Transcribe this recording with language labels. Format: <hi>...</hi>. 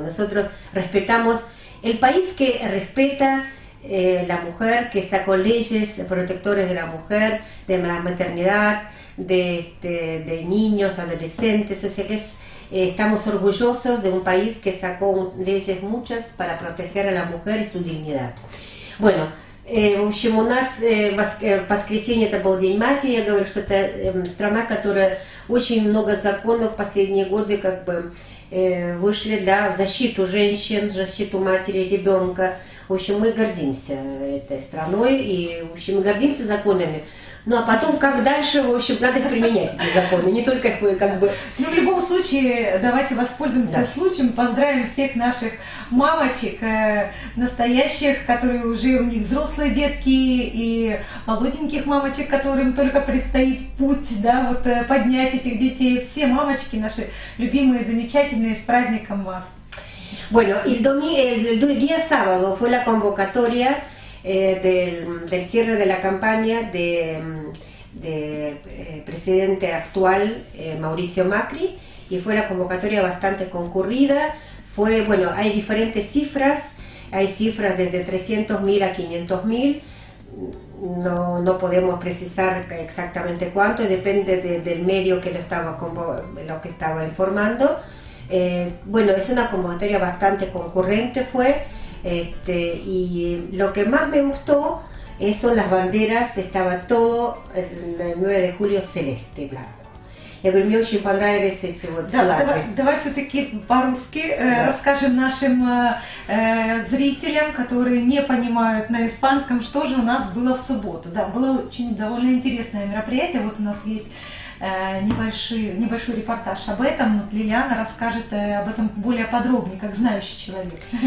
<es>Nosotros respetamos, el país que respeta la mujer, que sacó leyes protectores de la mujer, de la maternidad, de niños, adolescentes, o sea que estamos orgullosos de un país que sacó leyes muchas para proteger a la mujer y su dignidad.</es> <ru>Bueno, в общем, у нас воскресенье, это был День Матери, я говорю, что это страна, которая очень много законов в последние годы как бы вышли, да, в защиту женщин, в защиту матери, ребенка. В общем, мы гордимся этой страной и, в общем, мы гордимся законами. Ну, а потом, как дальше, в общем, надо их применять, эти законы, не только их, как бы... Ну, в любом случае, давайте воспользуемся случаем, поздравим всех наших мамочек настоящих, которые уже у них взрослые детки, и молоденьких мамочек, которым только предстоит путь, да, вот поднять этих детей. Все мамочки наши любимые, замечательные, с праздником вас!</ru> <es>Bueno, el día sábado fue la convocatoria del cierre de la campaña de presidente actual Mauricio Macri, y fue una convocatoria bastante concurrida. Fue, bueno, hay diferentes cifras, hay cifras desde 300.000 a 500.000, no podemos precisar exactamente cuánto, depende del medio que lo estaba informando. Bueno, es una convocatoria bastante concurrente, y lo que más me gustó son las banderas. Estaba todo el 9 de julio celeste, blanco.</es> <ru>Я говорю, мне очень понравились эти вот флаги. Давай все-таки по-русски расскажем нашим зрителям, которые не понимают на испанском, что же у нас было в субботу. Да, было очень довольно интересное мероприятие. Вот у нас есть небольшой репортаж об этом, но Лилиана расскажет об этом более подробнее, как знающий человек.</ru>